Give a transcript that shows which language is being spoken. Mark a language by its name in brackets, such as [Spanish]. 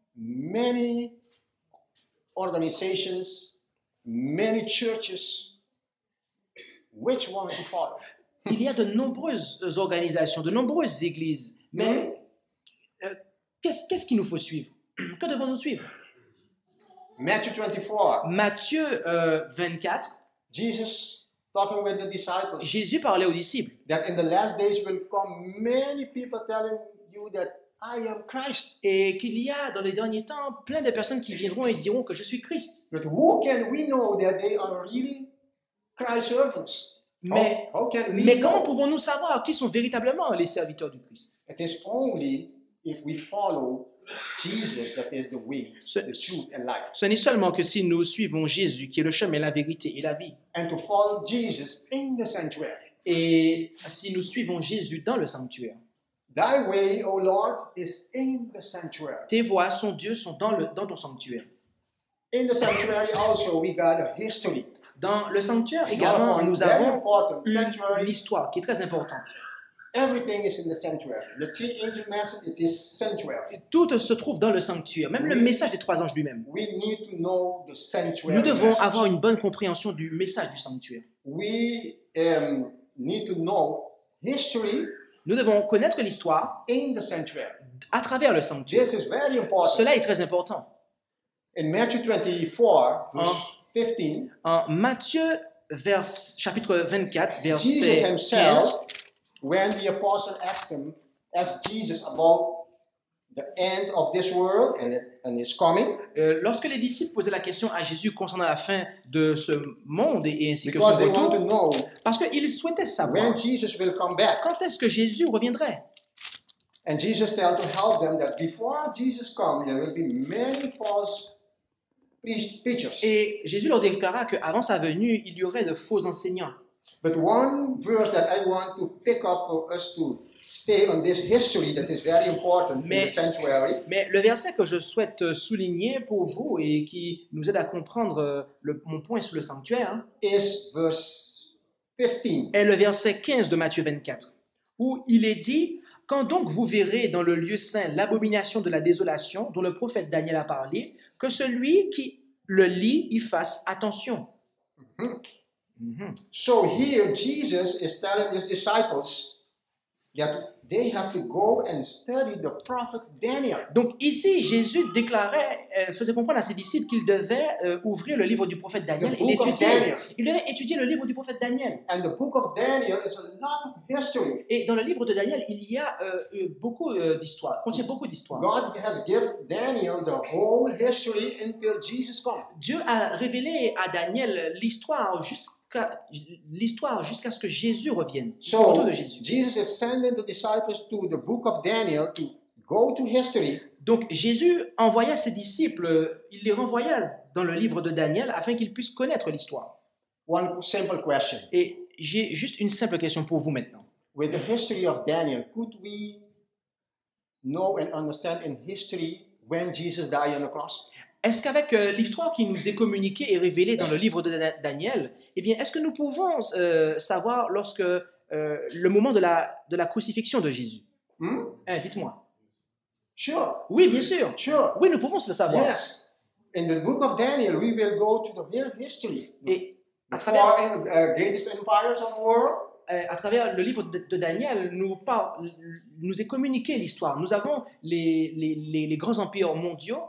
[English] Many organizations, many churches, which one to follow? [French] Il y a de nombreuses organisations, de nombreuses églises, mais qu'est-ce qu'il nous faut suivre? Que devons-nous suivre? [English] Matthew 24. [French] Matthieu 24. [English] Jesus talking with the disciples. [French] Jésus parlait aux disciples. [English] That in the last days will come many people telling you that I am Christ. [French] Et qu'il y a dans les derniers temps plein de personnes qui viendront et diront que je suis Christ. [English] But who can we know that they are really Christ's servants? [French] Mais, [English] how [French] comment pouvons-nous savoir qui sont véritablement les serviteurs du Christ? [English] It is only if we follow Jesus that is the way, the truth and life. [French] Ce n'est seulement que si nous suivons Jésus qui est le chemin, la vérité et la vie. [English] And to follow Jesus in the sanctuary. [French] Et si nous suivons Jésus dans le sanctuaire. [English] Thy way, O Lord, is in the sanctuary. [French] Tes voies, son Dieu, sont dans ton sanctuaire. [English] In the sanctuary also we got a history. [French] Dans le sanctuaire également, nous avons une histoire qui est très importante. [English] Everything is in the sanctuary. The three angel message, it is sanctuary. [French] Tout se trouve dans le sanctuaire, même le message des trois anges lui-même. [English] We need to know the sanctuary. [French] Nous devons avoir une bonne compréhension du message du sanctuaire. [English] We need to know history. [French] Nous devons connaître l'histoire [English] in the sanctuary. [French] À travers le sanctuaire. [English] This is very important. [French] Cela est très important. [English] In Matthew 24, verse 15. [French] En Matthieu chapitre 24, verset 15. [English] Jesus himself, when the apostle asked Jesus about the end of this world and his coming. [French] Lorsque les disciples posaient la question à Jésus concernant la fin de ce monde et ainsi [English] because [French] que son [English] they [French] retour, [English] want to know [French] parce qu'ils souhaitaient savoir [English] when Jesus will come back. [French] Quand est-ce que Jésus reviendrait. [English] And Jesus told to help them that before Jesus comes, there will be many false teachers. [French] Et Jésus leur déclara que avant sa venue, il y aurait de faux enseignants. [English] But one verse that I want to pick up for us to stay on this history that is very important in the sanctuary. [French] Mais le verset que je souhaite souligner pour vous et qui nous aide à comprendre mon point sur le sanctuaire [English] is verse 15. [French] Est le verset 15 de Matthieu 24 où il est dit quand donc vous verrez dans le lieu saint l'abomination de la désolation dont le prophète Daniel a parlé, que celui qui le lit y fasse attention. Mm-hmm. Mm-hmm. [English] So here Jesus is telling his disciples that they have to go and study the prophet Daniel. [French] Donc ici Jésus déclarait, faisait comprendre à ses disciples qu'ils devaient ouvrir le livre du prophète Daniel et l'étudier. Ils devaient étudier le livre du prophète Daniel. [English] And the book of Daniel is a lot of history. [French] Et dans le livre de Daniel, il y a beaucoup d'histoires. Contient beaucoup d'histoires. [English] God has given Daniel the whole history until Jesus comes. [French] Dieu a révélé à Daniel l'histoire jusqu'à ce que Jésus revienne. [English] So, Jesus is sending the disciples to the book of Daniel to go to history. [French] Donc Jésus envoya ses disciples, il les renvoya dans le livre de Daniel afin qu'ils puissent connaître l'histoire. [English] One simple question. [French] Et j'ai juste une simple question pour vous maintenant. [English] With the history of Daniel, could we know and understand in history when Jesus died on the cross? [French] Est-ce qu'avec l'histoire qui nous est communiquée et révélée dans le livre de Daniel, eh bien, est-ce que nous pouvons savoir lorsque le moment de la crucifixion de Jésus? Dites-moi. [English] Sure. [French] Oui, bien sûr. [English] Sure. [French] Oui, nous pouvons le savoir. [English] Yes. In the book of Daniel, we will go to the real history. [French] Et [English] greatest empires of the world. [French] À travers le livre de Daniel, nous est communiqué l'histoire. Nous avons les grands empires mondiaux.